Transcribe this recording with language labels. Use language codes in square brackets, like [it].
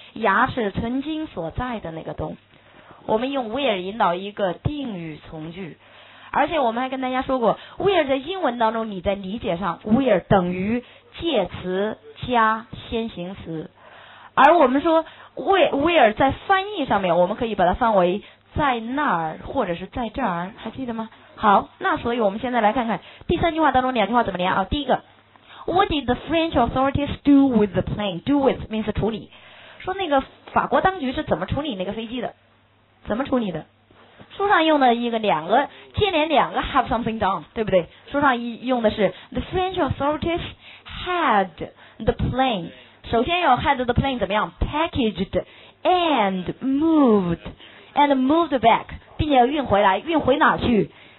[zh] 牙齿曾经所在的那个洞。我们用 where 引导一个定语从句，而且我们还跟大家说过 where 在英文当中你在理解上 where 等于介词加先行词，而我们说 where 在翻译上面我们可以把它翻为在那儿或者是在这儿，还记得吗？好，那所以我们现在来看看第三句话当中两句话怎么连啊。第一个 [en] What did the French authorities do with the plane? Do with means [zh] 处理，说那个法国当局是怎么处理那个飞机的，怎么处理的？书上用的一个两个接连两个 have something done， 对不对？书上用的是 [en] the French authorities had the plane， [zh] 首先要 [en] had the plane [zh] 怎么样 [en] packaged and moved back， [zh] 并且要运回来，运回哪去？